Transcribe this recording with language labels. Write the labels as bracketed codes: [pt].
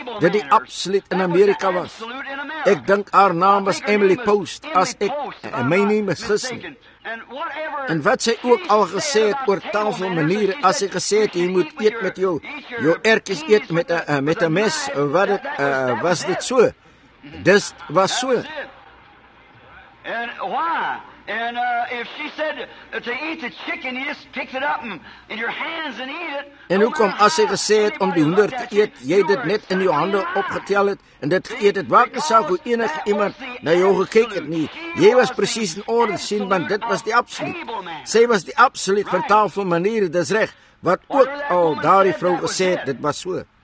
[af] Dit die absoluut in Amerika was. Ek dink haar naam was Emily Post, as ek my nie misgis nie. En wat sy ook al gesê het oor tafel maniere, as sy gesê het, jy moet eet met jou erkies eet met 'n mes, was dit so? Dis was so. En waarom? [en] And if she said to eat the chicken, you just pick it up in your hands and eat it. [af] En hoekom, as sy gesê het om die hoender te eet, jy dit net in jou hande opgetel het en dit geëet het, waar sou hoe enige iemand na jou gekyk het nie? Jy was presies in orde sien, want dit was die absoluut. Sy was die absoluut van tafel maniere, dis reg. Wat ook al daardie vrou gesê het, dit was so.